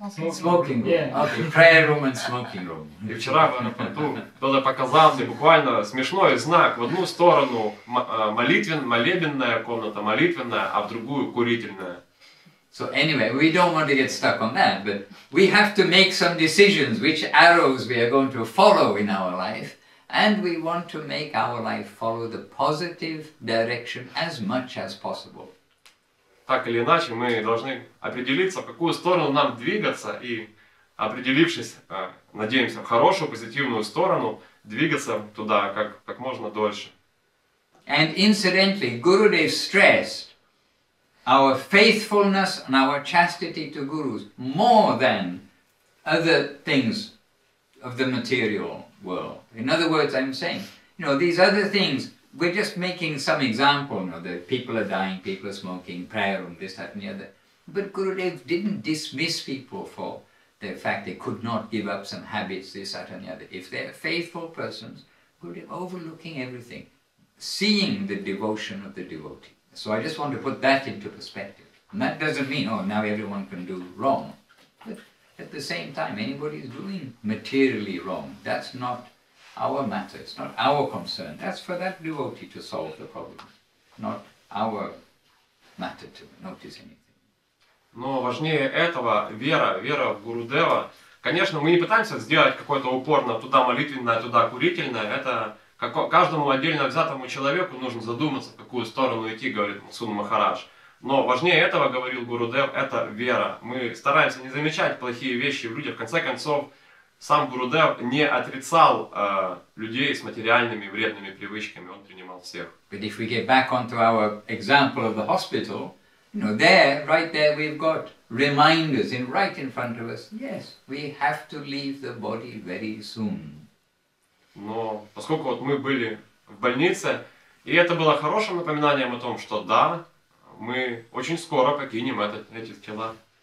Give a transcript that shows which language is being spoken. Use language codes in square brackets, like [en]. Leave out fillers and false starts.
[en] Smoking room. Okay. Prayer room and smoking room. [ru] И вчера в аэропорту кто-то показал мне буквально смешной знак. В одну сторону молебенная комната, молитвенная, а в другую курительная. [en] So anyway, we don't want to get stuck on that, but we have to make some decisions which arrows we are going to follow in our life, and we want to make our life follow the positive direction as much as possible. [ru] Так или иначе, мы должны определиться, в какую сторону нам двигаться, и определившись, надеемся, в хорошую, позитивную сторону, двигаться туда как можно дольше. [en] And incidentally, Gurudev stressed our faithfulness and our chastity to gurus more than other things of the material world. In other words, I'm saying, you know, these other things, we're just making some example, you know, that people are dying, people are smoking, prayer room, this, that, and the other. But Gurudev didn't dismiss people for the fact they could not give up some habits, this, that, and the other. If they're faithful persons, we'll be overlooking everything, seeing the devotion of the devotee. So I just want to put that into perspective. And that doesn't mean, oh, now everyone can do wrong. But at the same time, anybody is doing materially wrong. That's not our matter. It's not our concern. That's for that devotee to solve the problem, not our matter to notice anything. [ru] Но важнее этого вера в Гурудева. Конечно, мы не пытаемся сделать какой-то упор на туда молитвенное, туда курительное. Это каждому отдельно взятому человеку нужно задуматься, в какую сторону идти, говорит Сун Махарадж. Но важнее этого, говорил Гурудев, это вера. Мы стараемся не замечать плохие вещи в людях. В конце концов, сам Гурудев не отрицал людей с материальными вредными привычками. Он принимал всех. [en] But if we get back onto our example of the hospital, you know, there, right there, we've got reminders in right in front of us. Yes, we have to leave the body very soon. [ru] Но поскольку вот мы были в больнице, и это было хорошим напоминанием о том, что да, мы очень скоро покинем эти тела.